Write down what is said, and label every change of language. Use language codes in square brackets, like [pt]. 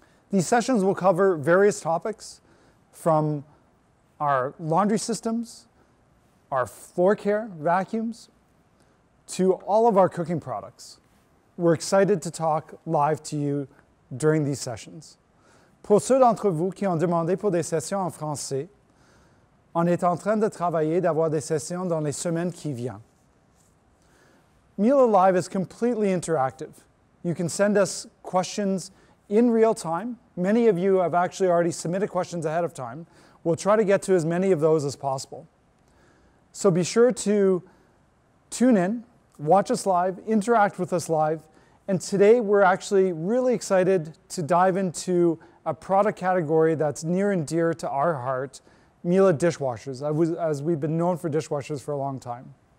[en] These sessions will cover various topics from our laundry systems, our floor care vacuums, to all of our cooking products. We're excited to talk live to you during these sessions. [fr] Pour ceux d'entre vous qui ont demandé pour des sessions en français, on est en train de travailler d'avoir des sessions dans les semaines qui viennent. [en] Miele Live is completely interactive. You can send us questions in real time. Many of you have actually already submitted questions ahead of time. We'll try to get to as many of those as possible. So be sure to tune in, watch us live, interact with us live, and today we're actually really excited to dive into a product category that's near and dear to our heart, Miele dishwashers, as we've been known for dishwashers for a long time.